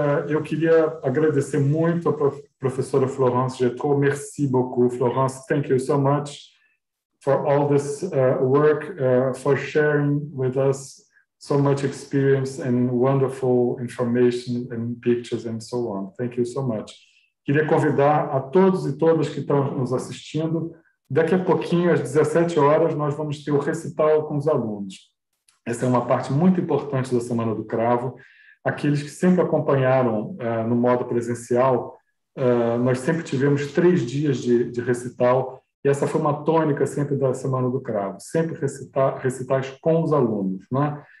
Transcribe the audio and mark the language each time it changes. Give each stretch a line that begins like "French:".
Portuguese: Eu queria agradecer muito a professora Florence Getro.
French: Merci beaucoup, Florence.
English: Thank you so much for all this work, for sharing with us so much experience and wonderful information and pictures and so on. Thank you so much.
Portuguese: Queria convidar a todos e todas que estão nos assistindo. Daqui a pouquinho, às 17 horas, nós vamos ter o recital com os alunos. Essa é uma parte muito importante da Semana do Cravo. Aqueles que sempre acompanharam no modo presencial, nós sempre tivemos 3 dias de recital, e essa foi uma tônica sempre da Semana do Cravo, sempre recitais com os alunos, né?